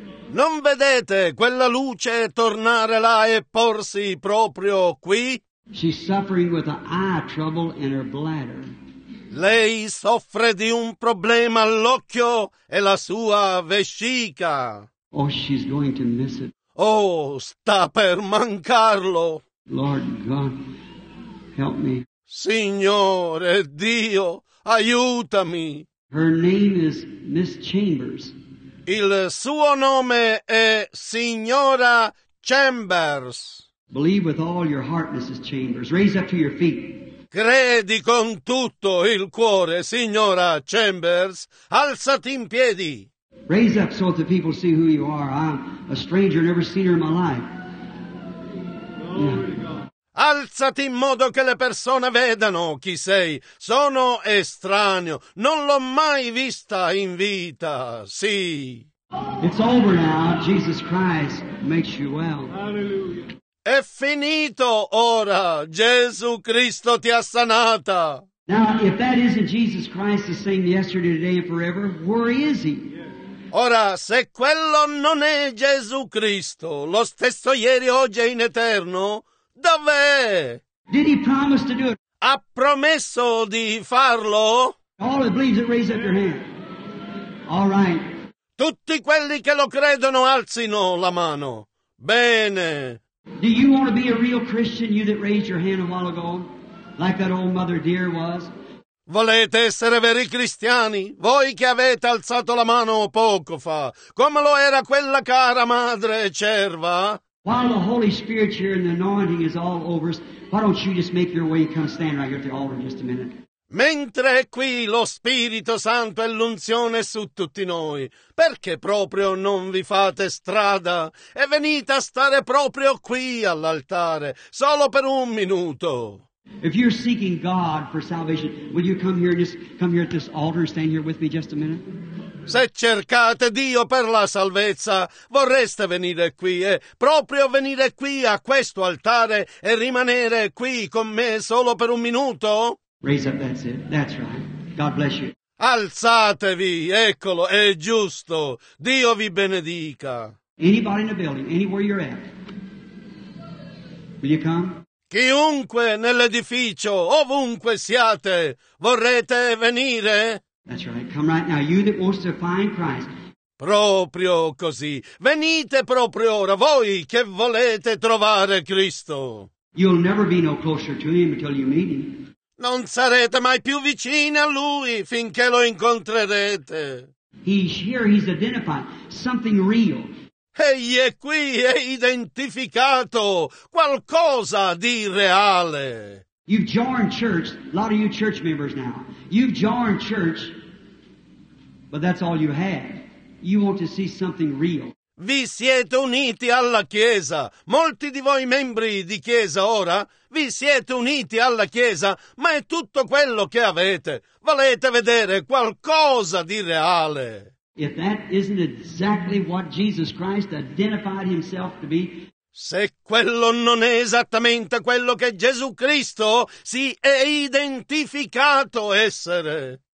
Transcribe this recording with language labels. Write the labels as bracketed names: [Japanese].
[Italian] Non vedete quella luce tornare là e porsi proprio qui? [English] She's suffering with an eye trouble in her bladder. [Italian] Lei soffre di un problema all'occhio e la sua vescica. [English] Oh, she's going to miss it. [Italian] Oh, sta per mancarlo. [English] Lord God, help me. [Italian] Signore Dio, aiutami. [English] Her name is Miss Chambers. [Italian] Il suo nome è Signora Chambers. [English] Believe with all your heart, Mrs. Chambers. Raise up to your feet. [Italian] Credi con tutto il cuore, signora Chambers. Alzati in piedi. [English] Raise up so that the people see who you are. I'm a stranger, never seen her in my life. Yeah. [Italian] Alzati in modo che le persone vedano chi sei. Sono estraneo. Non l'ho mai vista in vita. Sì. [English] It's over now. Jesus Christ makes you well. Hallelujah. [Italian] È finito ora. Gesù Cristo ti ha sanata. [English] Now, if that isn't Jesus Christ, the same yesterday, today, and forever, where is he? [Italian] Ora, se quello non è Gesù Cristo, lo stesso ieri, oggi e in eterno, dov'è? [English] Did he promise to do it? [Italian] Ha promesso di farlo? [English] All who believe it, raise up your hand. All right. [Italian] Tutti quelli che lo credono, alzino la mano. Bene. [English] Do you want to be a real Christian, you that raised your hand a while ago, like that old mother dear was? [Italian] Volete essere veri cristiani? Voi che avete alzato la mano poco fa, come lo era quella cara madre cerva? [English] While the Holy Spirit's here and the anointing is all over us, why don't you just make your way and come stand right here at the altar in just a minute? [Italian] Mentre è qui lo Spirito Santo e l'unzione su tutti noi, perché proprio non vi fate strada e venite a stare proprio qui all'altare, solo per un minuto? [English] If you're seeking God for salvation, will you come here, just come here at this altar and stand here with me just a minute? [Italian] Se cercate Dio per la salvezza, vorreste venire qui e proprio venire qui a questo altare e rimanere qui con me solo per un minuto? [English] Raise up, that's it. That's right. God bless you. [Italian] Alzatevi, eccolo, è giusto. Dio vi benedica. [English] Anybody in the building, anywhere you're at, will you come? [Italian] Chiunque nell'edificio, ovunque siate, vorrete venire? [English] That's right. Come right now. You that wants to find Christ. [Italian] Proprio così. Venite proprio ora, voi che volete trovare Cristo. [English] You'll never be no closer to him until you meet him. [Italian] Non sarete mai più vicini a lui finché lo incontrerete. [English] He's here, he's identified, something real. [Italian] Egli è qui, è identificato, qualcosa di reale. [English] You've joined church, a lot of you church members now. You've joined church, but that's all you have. You want to see something real. [Italian] Vi siete uniti alla Chiesa, molti di voi membri di Chiesa ora, vi siete uniti alla Chiesa, ma è tutto quello che avete. Volete vedere qualcosa di reale. [English] If that isn't exactly what Jesus Christ identified himself to be, [Italian] se quello non è esattamente quello che Gesù Cristo si è identificato essere.